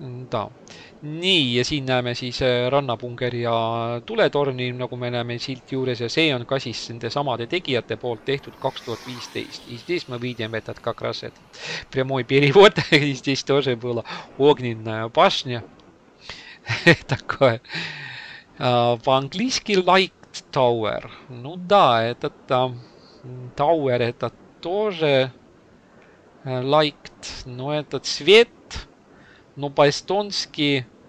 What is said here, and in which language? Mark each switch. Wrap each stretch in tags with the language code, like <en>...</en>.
<et>Да. Nii, ja siin näeme siis rannapungeri ja tuletorni, nagu me näeme silt juures. Ja see on ka siis nende samade tegijate poolt tehtud 2015.</et> <ru>И здесь мы видим этот как раз этот прямой перевод. И здесь тоже была огненная башня. Такое. По-английски</ru> <en>light tower.</en> <ru>Ну да, этот tower, это тоже light. Но этот свет, но по-эстонски...</ru>